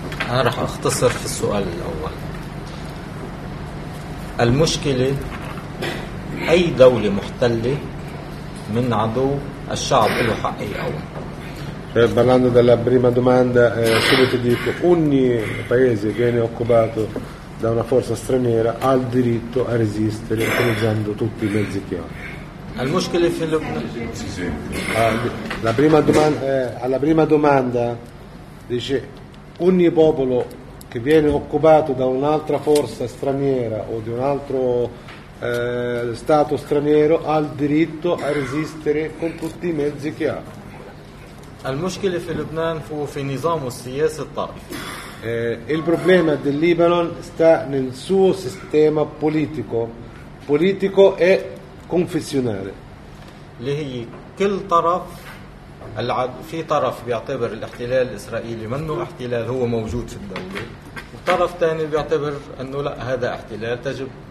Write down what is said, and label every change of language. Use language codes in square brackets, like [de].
[ar] أنا رح أختصر في السؤال الأول. المشكلة أي دولة محتلة من عدو الشعب له حق أول. [it] Parlando della prima domanda, solo ti dico, ogni paese viene occupato da una forza straniera ha il diritto a resistere utilizzando tutti i mezzi che ha. Alla prima domanda dice, ogni popolo che viene occupato da un'altra forza straniera o di un altro stato straniero ha il diritto a resistere con tutti i mezzi che ha. [ar] المشكلة في لبنان هو في نظام السياسة الطائفي. [it] Il problema del Libano sta nel suo sistema politico, politico e confessionale. [ar] اللي هي كل طرف في طرف بيعتبر الاحتلال الإسرائيلي منه احتلال هو موجود في الدولة، وطرف تاني بيعتبر إنه لا هذا احتلال تجب.